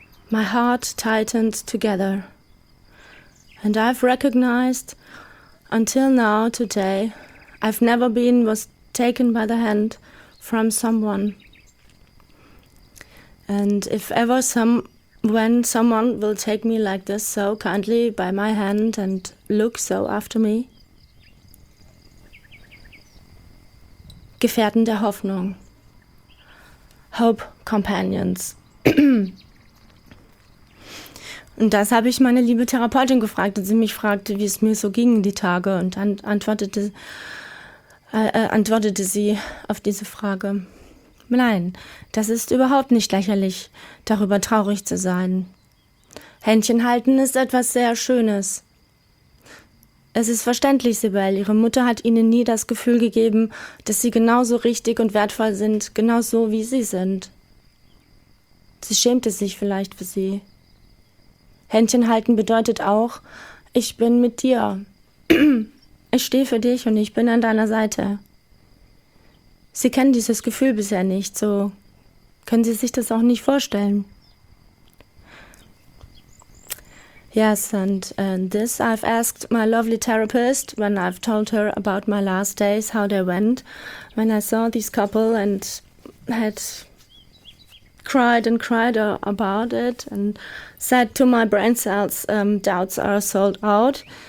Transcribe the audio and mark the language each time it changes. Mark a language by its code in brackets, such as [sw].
[en] My heart tightened together. And I've recognized until now today I've never been was taken by the hand from someone. And if ever someone will take me like this so kindly by my hand and look so after me. [de] Gefährten der Hoffnung. [en] Hope Companions. [de] Und das habe ich meine liebe Therapeutin gefragt, und sie mich fragte, wie es mir so ging die Tage, und dann antwortete sie auf diese Frage: Nein, das ist überhaupt nicht lächerlich, darüber traurig zu sein. Händchen halten ist etwas sehr Schönes. Es ist verständlich, Sibel. Ihre Mutter hat Ihnen nie das Gefühl gegeben, dass Sie genauso richtig und wertvoll sind, genauso wie Sie sind. Sie schämte sich vielleicht für Sie. Händchen halten bedeutet auch, ich bin mit dir. Ich stehe für dich und ich bin an deiner Seite. Sie kennen dieses Gefühl bisher nicht, so können Sie sich das auch nicht vorstellen. [en] Yes, and this I've asked my lovely therapist when I've told her about my last days, how they went, when I saw this couple and had cried and cried about it and said to my brain cells, doubts are sold out.